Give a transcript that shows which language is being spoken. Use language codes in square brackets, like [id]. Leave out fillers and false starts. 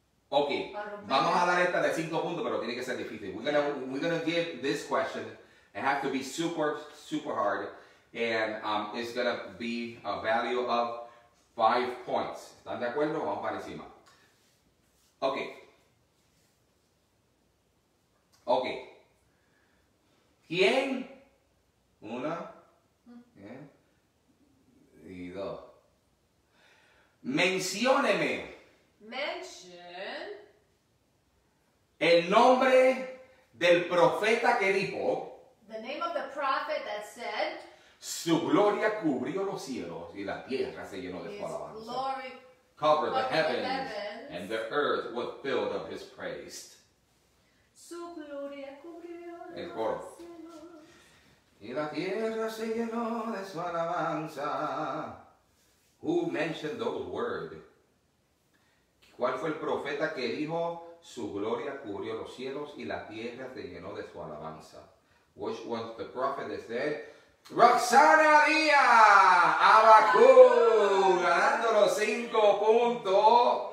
[es] Ok, vamos a dar esta de 5 puntos, pero tiene que ser difícil. [en] We're gonna give this question. It has to be super, super hard. And it's gonna be a value of 5 points. [es] ¿Están de acuerdo? Vamos para encima. Ok. ¿Quién? Una y dos. Mencióneme. [en] Mention. [es] El nombre del profeta que dijo. [en] The name of the prophet that said. [es] Su gloria cubrió los cielos y la tierra se llenó de su alabanza. [en] His glory covered the heavens and the earth was filled of his praise. [es] Su gloria cubrió los cielos. El coro. Y la tierra se llenó de su alabanza. [en] Who mentioned those words? [es] ¿Cuál fue el profeta que dijo, su gloria cubrió los cielos y la tierra se llenó de su alabanza? [en] Which was the prophet that said, Roxana Díaz, Abacú, [es] ganando los 5 puntos.